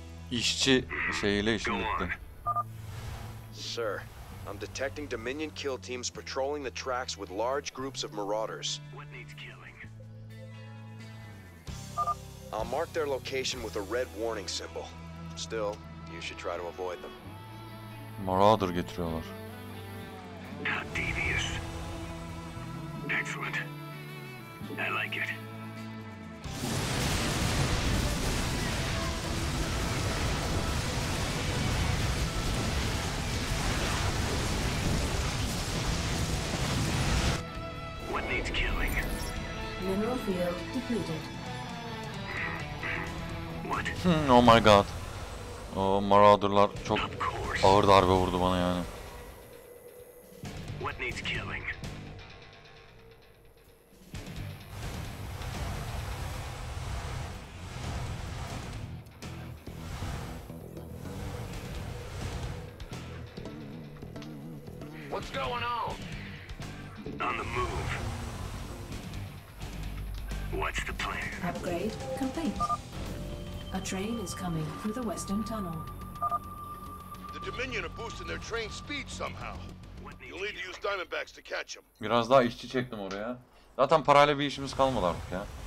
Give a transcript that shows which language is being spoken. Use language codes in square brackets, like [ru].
[tr] İşçi şeyiyle işin bitti. [en] Sir, I'm detecting Dominion kill teams patrolling the tracks with large groups of marauders. What needs killing? I'll mark their location with a red warning symbol. Still, you should try to avoid them. [tr] Marauder getiriyorlar. [en] How devious. Excellent. I like it. What needs killing? Mineral field depleted. Oh my god. [tr] O Marauder'lar çok ağır darbe vurdu bana yani. [en] What needs killing? What's going on? On the move. What's the plan? Upgrade complete. A train is coming through the western tunnel. The Dominion are boosting their train speed somehow. You'll need to use Diamondbacks to catch them. [tr] Biraz daha işçi çektim oraya. Zaten parayla bir işimiz kalmadı artık ya.